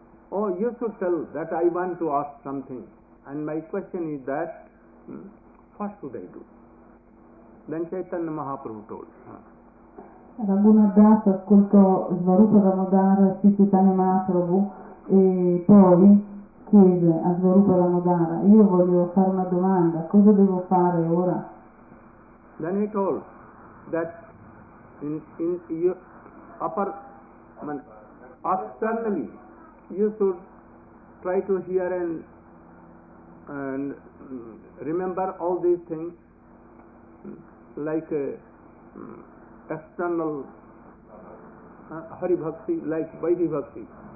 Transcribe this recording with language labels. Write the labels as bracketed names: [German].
[English] Oh, you should tell that I want to ask something. And my question is that, what should I do? Then Chaitanya Mahaprabhu told. [Italian] Raghunath Das ascoltò Svarupa Damodara Sri Chaitanya Mahaprabhu e poi chiese a Svarupa Damodara, io voglio fare una domanda, cosa devo fare ora? [English] Then he told that in your upper externally you should try to hear and remember all these things like external Hari Bhakti, like Vaidhi Bhakti.